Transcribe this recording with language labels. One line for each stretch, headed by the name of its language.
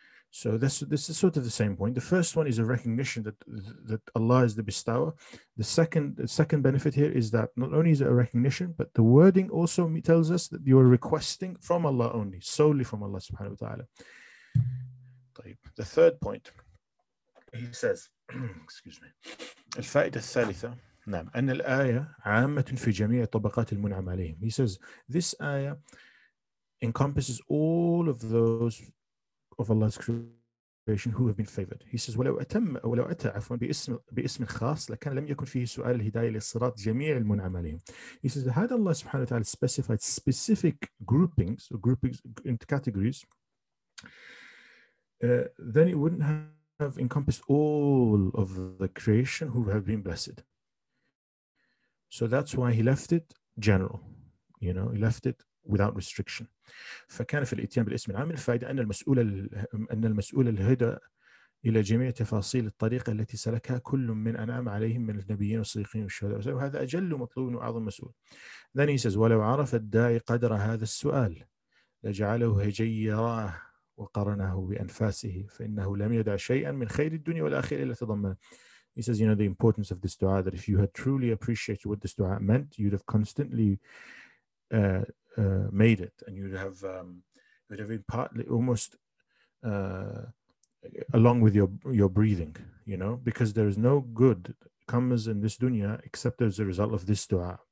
English: So this is sort of the same point. The first one is a recognition that Allah is the bestower. The second benefit here is that not only is it a recognition, but the wording also tells us that you are requesting from Allah only, solely from Allah subhanahu wa ta'ala. The third point, he says, excuse me,
Arabic: الفائدة الثالثة نعم أن الآية عامة في جميع طبقات المنعم عليهم.
English: He says this ayah encompasses all of those of Allah's creation who have been favored.
Arabic: He says ولو أتى عفوا باسم خاص لكان لم يكن فيه سؤال الهداية للصراط جميع المنعم عليهم.
English: He says had Allah سبحانه وتعالى specified specific groupings or groupings into categories, then it wouldn't have encompassed all of the creation who have been blessed. So that's why he left it general. You know, he left it without restriction.
Arabic: فكان في الاتيان بالاسم العام الفائدة أن المسؤول الهدى إلى جميع تفاصيل الطريقة التي سلكها كل من أنعم عليهم من النبيين والصديقين والشهداء. هذا أجل مطلوب وأعظم مسؤول.
English: Then he says,
Arabic: ولو عرف الداعي قدر هذا السؤال لجعله هجيراه وقرنه بأنفاسه فإنه لم يدع شيئا من خير الدنيا والآخرة إلا تضمنه.
English: He says, you know, the importance of this dua, that if you had truly appreciated what this dua meant, you'd have constantly made it, and you'd have been partly almost along with your breathing, you know, because there is no good that comes in this dunya except as a result of this dua.